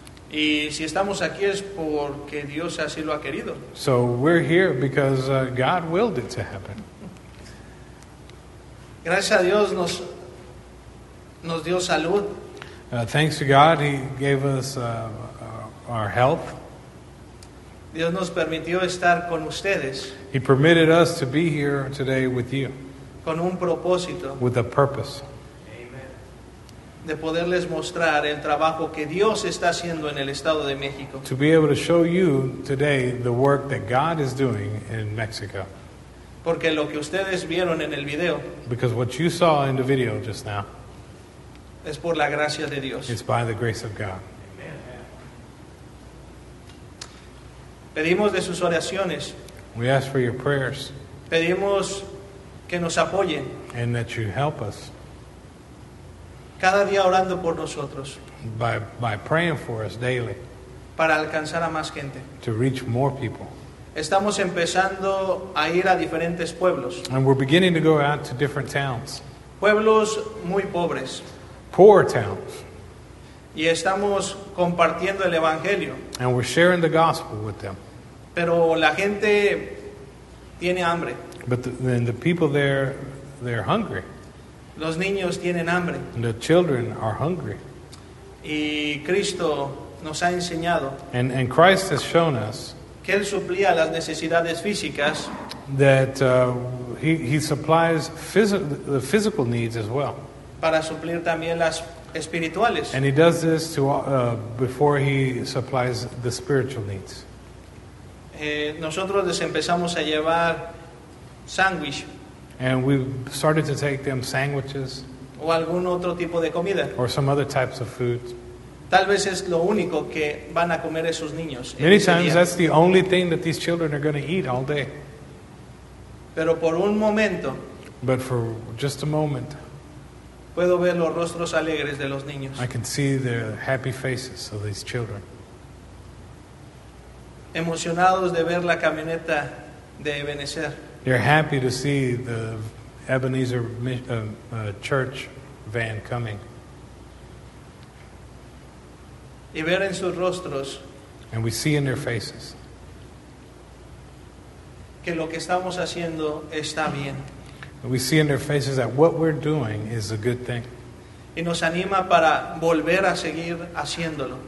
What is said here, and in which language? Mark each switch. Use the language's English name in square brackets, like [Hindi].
[Spanish] Y si estamos aquí es porque Dios así lo ha querido. [English] So we're here because God willed it to happen. [Spanish] Gracias a Dios nos dio salud. [English] Thanks to God, He gave us our health. [Spanish] Dios nos permitió estar con ustedes. [English] He permitted us to be here today with you. [Spanish] Con un propósito. [English] With a purpose. Amen. [Spanish] De poderles mostrar el trabajo que Dios está haciendo en el Estado de México. [English] To be able to show you today the work that God is doing in Mexico. [Spanish] Porque lo que ustedes vieron en el video. [English] Because what you saw in the video just now. [Spanish] Es por la gracia de Dios. [English] It's by the grace of God. Amen. [Spanish] Pedimos de sus oraciones. [English] We ask for your prayers. [Spanish] Pedimos que nos apoyen. [English] And that you help us. [Spanish] Cada día orando por nosotros. [English] By praying for us daily. [Spanish] Para alcanzar a más gente. [English] To reach more people. [Spanish] Estamos empezando a ir a diferentes pueblos. [English] And we're beginning to go out to different towns. [Spanish] Pueblos muy pobres. [English] Poor towns. [Spanish] Y estamos compartiendo el evangelio. [English] And we're sharing the gospel with them. [Spanish] Pero la gente tiene hambre. [English] But the people there, they're hungry. [Spanish] Los niños tienen hambre. [English] The children are hungry. [Spanish] Y Cristo nos ha enseñado. [English] And Christ has shown us. [Spanish] Que él suplía las necesidades físicas. [English] That he supplies the physical needs as well. [Spanish] Para suplir también las espirituales. [English] And he does this to before he supplies the spiritual needs. [Spanish] Nosotros les empezamos a llevar sándwich. [English] And we started to take them sandwiches. [Spanish] O algún otro tipo de comida. [English] Or some other types of food. [Spanish] Tal vez es lo único que van a comer esos niños. [English] Many times that's the only thing that these children are going to eat all day. [Spanish] Pero por un momento. [English] But for just a moment. [Spanish] Puedo ver los rostros alegres de los niños. [English] I can see the happy faces of these children. [Spanish] Emocionados de ver la camioneta de Ebenezer. [English] They're happy to see the Ebenezer Church van coming. [Spanish] Y ver en sus rostros, [English] and we see in their faces [Spanish] que lo que estamos haciendo está bien. [English] And we see in their faces that what we're doing is a good thing. [Spanish] Y nos anima para volver a seguir haciéndolo.